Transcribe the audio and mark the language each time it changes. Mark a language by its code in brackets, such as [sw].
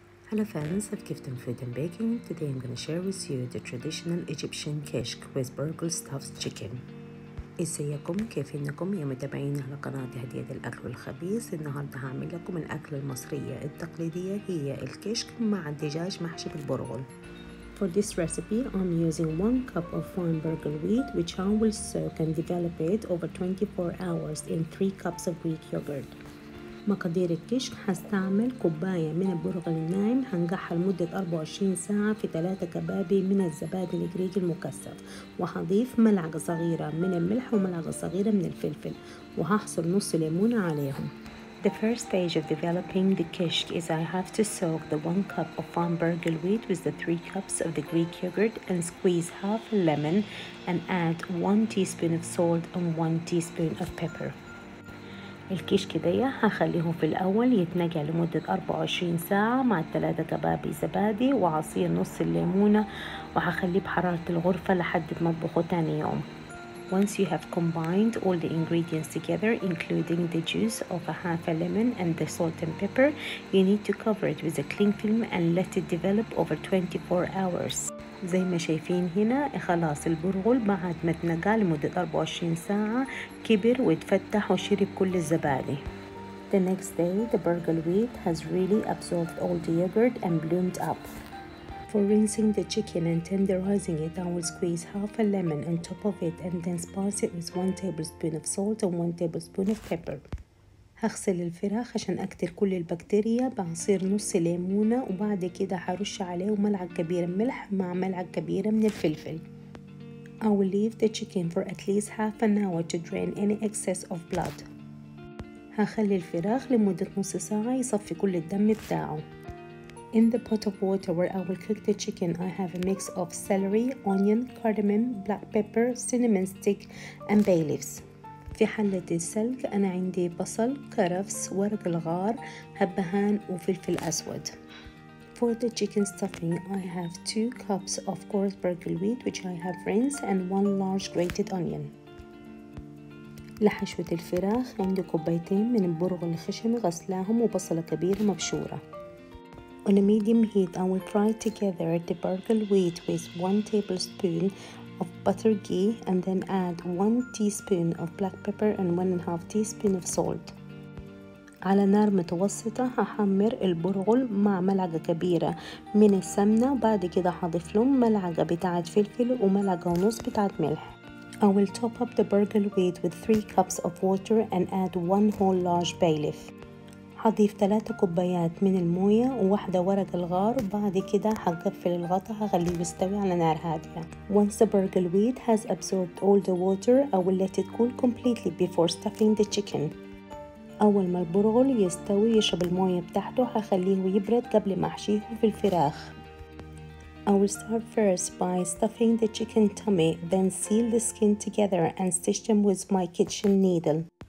[en] Hello fans of Gift and Food and Baking. Today I'm going to share with you the traditional Egyptian kishk with Bulgar stuffed chicken. [ar] ازيكم؟ كيف انكم يا متابعين على قناة هدية الأكل والخبيث؟ النهاردة هعمل لكم الأكلة المصرية التقليدية هي الكشك مع الدجاج محشي بالبرغل. [en] For this recipe, I'm using 1 cup of fine Bulgar wheat which I will soak and develop it over 24 hours in 3 cups of Greek yogurt. [ar] مقادير الكشك هستعمل كوباية من البرغل الناعم هنقعها لمدة 24 ساعة في 3 كبابي من الزبادي الجريك المكثف وهضيف ملعقة صغيرة من الملح وملعقة صغيرة من الفلفل وهحصر نص ليمون عليهم. [en] The first stage of developing the kishk is I have to soak the 1 cup of fine Bulgar wheat with the 3 cups of the Greek yogurt and squeeze half a lemon and add 1 teaspoon of salt and 1 teaspoon of pepper. [ar] الكشك دي هخليهم في الأول يتنقع لمدة 24 ساعة مع 3 كباب زبادي وعصير نص الليمونة وهخليه بحرارة الغرفة لحد ما اطبخه تاني يوم. [en] Once you have combined all the ingredients together including the juice of a half a lemon and the salt and pepper, you need to cover it with a cling film and let it develop over 24 hours. [ar] زي ما شايفين هنا خلاص البرغل بعد ما اتنقع لمدة 24 ساعة كبر واتفتح وشرب كل الزبادي. [en] The next day the Bulgar wheat has really absorbed all the yogurt and bloomed up. For rinsing the chicken and tenderizing it, I will squeeze half a lemon on top of it and then spice it with 1 tablespoon of salt and 1 tablespoon of pepper. [ar] هغسل الفراخ عشان اكتر كل البكتيريا بعصير نص ليمونة وبعد كده هرش عليه ملعقة كبيرة ملح مع ملعقة كبيرة من الفلفل. [en] I will leave the chicken for at least half an hour to drain any excess of blood. [ar] هخلي الفراخ لمدة نص ساعة يصفي كل الدم بتاعه. [en] In the pot of water where I will cook the chicken, I have a mix of celery, onion, cardamom, black pepper, cinnamon stick, and bay leaves. [ar] في حلة السلق أنا عندي بصل، كرفس، ورق الغار، هبهان وفلفل أسود. [en] For the chicken stuffing, I have 2 cups of coarse Bulgar wheat which I have rinsed and 1 large grated onion. [ar] لحشوة الفراخ عندي كوبايتين من البرغل الخشن غسلاهم وبصلة كبيرة مبشورة. [en] On a medium heat, I will fry together the Bulgar wheat with 1 tablespoon of butter ghee and then add 1 teaspoon of black pepper and 1.5 teaspoon of salt. [ar] على نار متوسطة هحمر البرغل مع ملعقة كبيرة من السمنة وبعد كده هضيف لهم ملعقة بتاعت فلفل وملعقة ونص بتاعت ملح. [en] I will top up the Bulgar wheat with 3 cups of water and add 1 whole large bay leaf. [ar] هضيف 3 كوبايات من الموية وواحدة ورق الغار وبعد كده هقفل الغطاء هخليه يستوي على نار هادية. [en] Once the Bulgar wheat has absorbed all the water, I will let it cool completely before stuffing the chicken. [ar] أول ما البرغل يستوي يشرب الموية بتاعته هخليه يبرد قبل ما أحشيه في الفراخ. [en] I will start first by stuffing the chicken tummy, then seal the skin together and stitch them with my kitchen needle.